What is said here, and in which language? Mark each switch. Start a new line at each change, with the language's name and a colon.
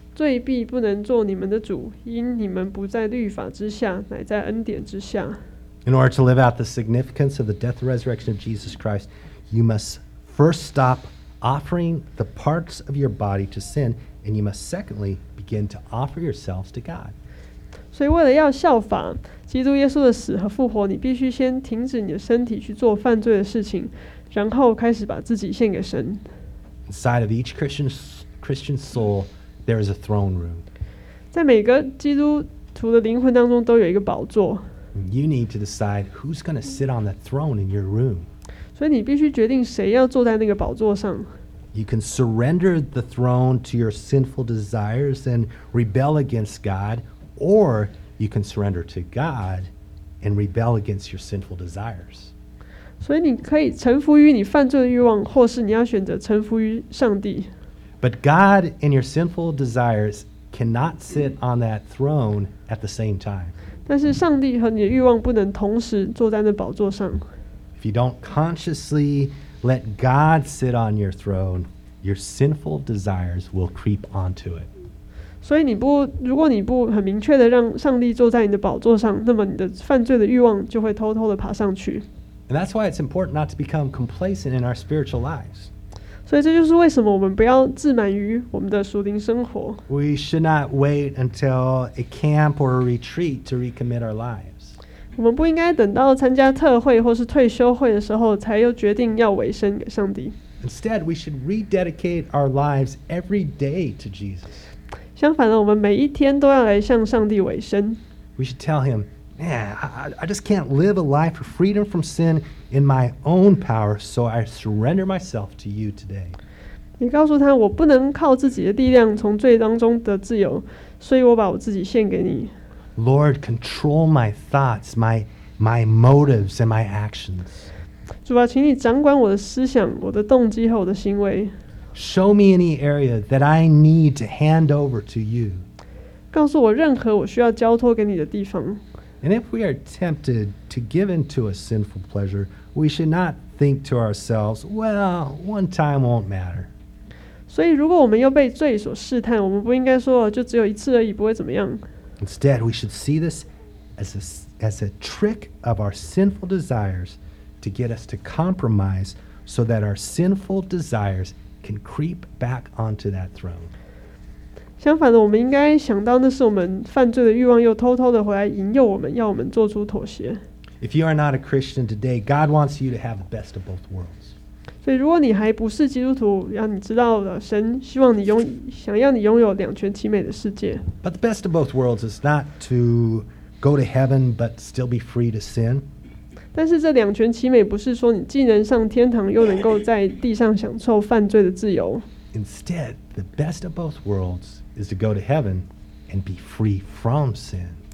Chinese: 罪必不能做你们的主，因你们不在律法之下，乃在恩典之下。
English: In order to live out the significance of the death and resurrection of Jesus Christ, you must first stop offering the parts of your body to sin, and you must secondly begin to offer yourselves to God.
Chinese: 所以为了要效法基督耶稣的死和复活，你必须先停止你的身体去做犯罪的事情，然后开始把自己献给神。
English: Inside of each Christian soul,There is a throne room.
Chinese: 在每个基督徒的灵魂当中都有一个宝座。
English: You need to decide who's going to sit on the throne in your room.
Chinese: 所以你必须决定谁要坐在那个宝座上。
English: You can surrender the throne to your sinful desires and rebel against God, or you can surrender to God and rebel against your sinful desires.
Chinese: 所以你可以臣服于你犯罪的欲望，或是你要选择臣服于上帝。
English: But God and your sinful desires cannot sit on that throne at the same time.
Chinese: 但是上帝和你的欲望不能同时坐在那宝座上。
English: If you don't consciously let God sit on your throne, your sinful desires will creep onto it.
Chinese: 所以你不，如果你不很明确的让上帝坐在你的宝座上，那么你的犯罪的欲望就会偷偷的爬上去。
English: And that's why it's important not to become complacent in our spiritual lives.
Chinese: 所以这就是为什么我们不要自满于我们的属灵生活。
English: We should not wait until a camp or a retreat to recommit our lives.
Chinese: 我们不应该等到参加特会或是退休会的时候才又决定要委身给上帝。
English: Instead, we should rededicate our lives every day to Jesus.
Chinese: 相反的，我们每一天都要来向上帝委身。
English: We should tell him, man, I just can't live a life of freedom from sin. In my own power, so I surrender myself to you today.
Chinese: 你告诉他，我不能靠自己的力量从罪当中得自由，所以我把我自己献给你。
English: Lord, control my thoughts, my motives, and my actions.
Chinese: 主啊，请你掌管我的思想、我的动机和我的行为。
English: Show me any area that I need to hand over to you.
Chinese: 告诉我任何我需要交托给你的地方。
English: And if we are tempted to give in to a sinful pleasure, we should not think to ourselves, well, one time won't matter.
Chinese: 所以如果我们又被罪所试探，我们不应该说就只有一次而已，不会怎么样。
English: Instead, we should see this as a trick of our sinful desires to get us to compromise so that our sinful desires can creep back onto that throne.
Chinese: 相反的，我们应该想到那是我们犯罪的欲望又偷偷的回来引诱我们，要我们做出妥协。
English: If you are not a Christian today, God wants you to have the best of both worlds.
Chinese: 所以，如果你还不是基督徒，让你知道了，神希望你拥，想要你拥有两全其美的世界。
English: But the best of both worlds is not to go to heaven but still be free to sin.
Chinese: 但是，这两全其美不是说你既能上天堂，又能够在地上享受犯罪的自由。
English: Instead, the best of both worlds. Is to go to heaven and be free from sin.